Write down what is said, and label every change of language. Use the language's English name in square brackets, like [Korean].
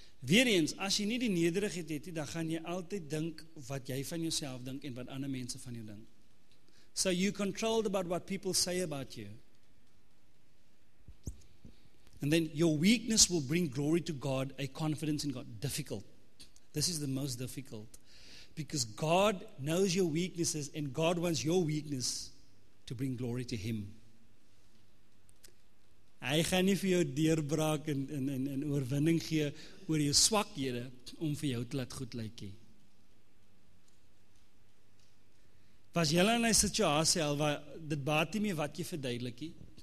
[Afrikaans] Weer eens, as jy nie die nederigheid het nie, dan gaan jy altyd dink wat jy van jouself dink en wat ander mense van jou dink. [English] So you're controlled about what people say about you. And then your weakness will bring glory to God, a confidence in God. Difficult. This is the most difficult. Because God knows your weaknesses and God wants your weakness to bring glory to him. [Afrikaans] Hy gaan nie vir jou deurbraak en oorwinning gee oor jou swakhede om vir jou te laat goed lyk nie. Was jy in 'n situasie waar dit baat nie meer wat jy verduidelik nie?